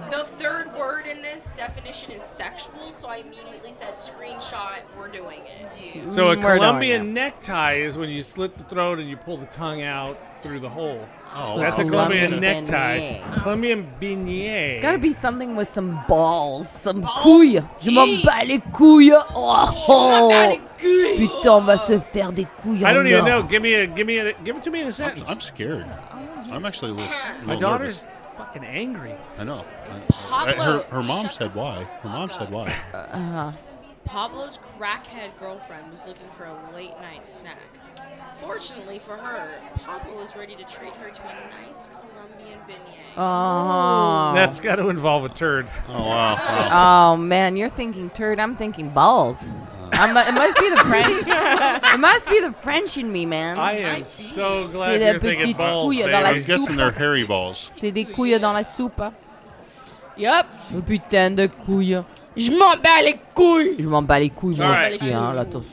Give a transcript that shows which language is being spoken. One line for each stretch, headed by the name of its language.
English: The third word in this definition is sexual, so I immediately said screenshot, we're doing it. So a Colombian necktie is when you slit the throat and you pull the tongue out through the hole. Oh, that's wow. A Colombian necktie. Beignet. Colombian beignet. It's got to be something with some balls. Some couilles.
French: Je m'en bats les couilles. Oh, putain, on va se faire des couilles.
English: I don't even know. Give it to me in a sentence. I'm scared. I'm actually a little My nervous. Daughter's fucking angry. I know. Her mom said why. Her mom said why. Pablo's crackhead girlfriend was looking for a late night snack. Fortunately for her, Pablo is ready to treat her to a nice Colombian beignet. Oh. That's got to involve a turd. Oh, wow. Oh, man, you're thinking turd. I'm thinking balls. It must be the French. It must be the French in me, man. I am so glad you're thinking balls, baby. I'm guessing they're hairy balls.
French: C'est des couilles dans la soupe.
English: Yep.
French: Putain de couilles. Je m'en bats les couilles. Je m'en bats les couilles, moi aussi, hein, l'attention.